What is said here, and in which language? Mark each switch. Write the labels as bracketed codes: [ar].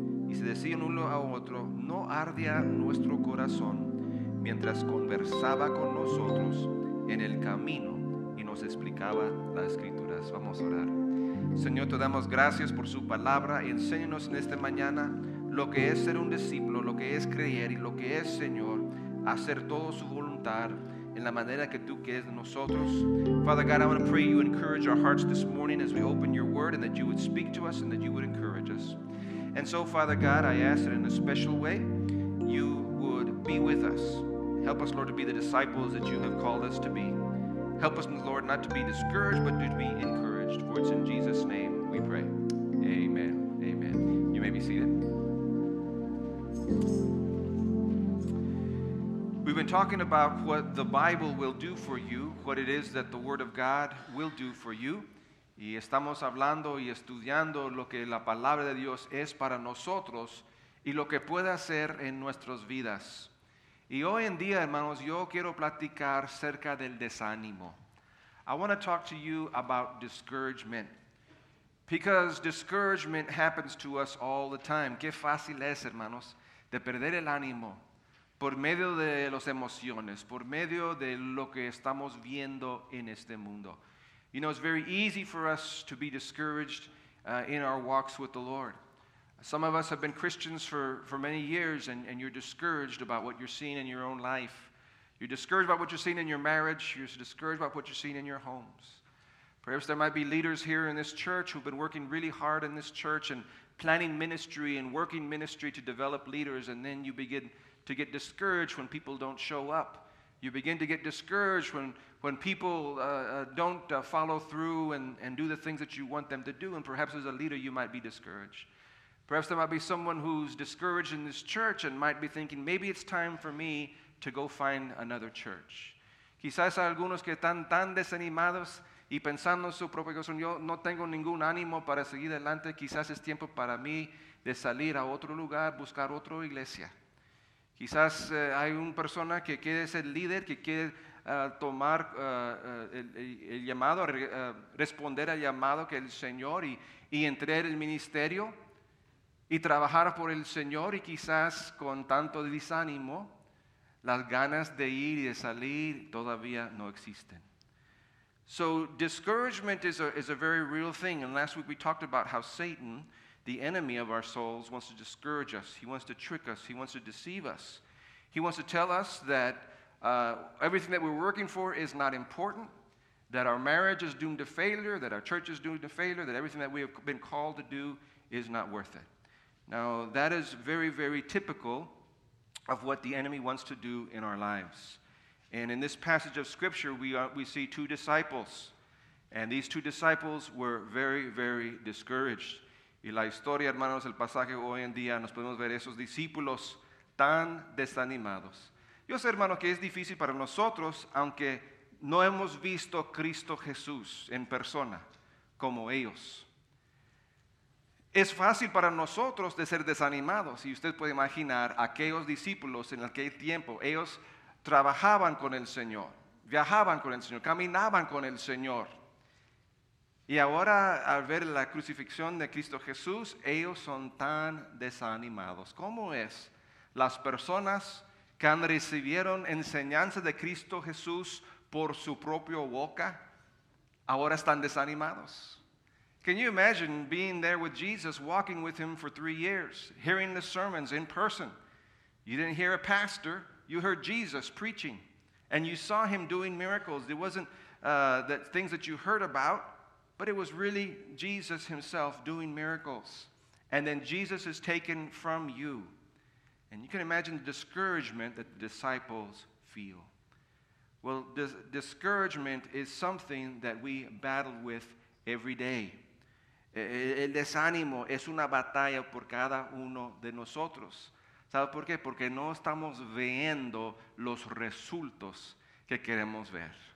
[es] Y se decían uno a otro, "¿No ardía nuestro corazón mientras conversaba con nosotros en el camino y nos explicaba las escrituras?" Vamos a orar. Señor, te damos gracias por su palabra. Enséñanos en esta mañana lo que es ser un discípulo, lo que es creer y lo que es, Señor, hacer todo su voluntad en la manera que tú quieres de nosotros. [en] Father God, I want to pray you encourage our hearts this morning as we open your word, and that you would speak to us and that you would encourage us. And so, Father God, I ask that in a special way, you would be with us. Help us, Lord, to be the disciples that you have called us to be. Help us, Lord, not to be discouraged, but to be encouraged. For it's in Jesus' name we pray. Amen. Amen. You may be seated. We've been talking about what the Bible will do for you, what it is that the Word of God will do for you. [es] Y estamos hablando y estudiando lo que la Palabra de Dios es para nosotros y lo que puede hacer en nuestras vidas. Y hoy en día, hermanos, yo quiero platicar acerca del desánimo. [en] I want to talk to you about discouragement. Because discouragement happens to us all the time. Qué fácil es, hermanos, de perder el ánimo por medio de las emociones, por medio de lo que estamos viendo en este mundo. You know, it's very easy for us to be discouraged in our walks with the Lord. Some of us have been Christians for many years, and you're discouraged about what you're seeing in your own life. You're discouraged about what you're seeing in your marriage. You're discouraged about what you're seeing in your homes. Perhaps there might be leaders here in this church who've been working really hard in this church and planning ministry and working ministry to develop leaders, and then you begin to get discouraged when people don't show up. You begin to get discouraged when people don't follow through and do the things that you want them to do, and perhaps as a leader you might be discouraged. Perhaps there might be someone who's discouraged in this church and might be thinking, maybe it's time for me to go find another church. [es] Quizás hay algunos que están tan desanimados y pensando en su propia corazón, yo no tengo ningún ánimo para seguir adelante, quizás es tiempo para mí de salir a otro lugar, buscar otra iglesia. Quizás hay una persona que quiere ser líder, que quiere tomar el llamado, responder al llamado que el Señor y entrar al ministerio y trabajar por el Señor, y quizás con tanto desánimo, las ganas de ir y de salir todavía no existen. [en] So discouragement is a very real thing. And last week we talked about how Satan, the enemy of our souls, wants to discourage us. He wants to trick us. He wants to deceive us. He wants to tell us that everything that we're working for is not important, that our marriage is doomed to failure, that our church is doomed to failure, that everything that we have been called to do is not worth it. Now, that is very, very typical of what the enemy wants to do in our lives. And in this passage of Scripture, we see two disciples. And these two disciples were very, very discouraged. [es] Y la historia, hermanos, el pasaje hoy en día, nos podemos ver esos discípulos tan desanimados. Yo sé, hermano, que es difícil para nosotros, aunque no hemos visto Cristo Jesús en persona, como ellos. Es fácil para nosotros de ser desanimados. Y usted puede imaginar aquellos discípulos en aquel tiempo, ellos trabajaban con el Señor, viajaban con el Señor, caminaban con el Señor. Y ahora, al ver la crucifixión de Cristo Jesús, ellos son tan desanimados. ¿Cómo es las personas que han recibido enseñanza de Cristo Jesús por su propia boca, ahora están desanimados? [en] Can you imagine being there with Jesus, walking with him for 3 years, hearing the sermons in person? You didn't hear a pastor. You heard Jesus preaching, and you saw him doing miracles. It wasn't that things that you heard about, but it was really Jesus himself doing miracles. And then Jesus is taken from you. And you can imagine the discouragement that the disciples feel. Well, discouragement is something that we battle with every day. [es] El desánimo es una batalla por cada uno de nosotros. ¿Sabe por qué? Porque no estamos viendo los resultados que queremos ver.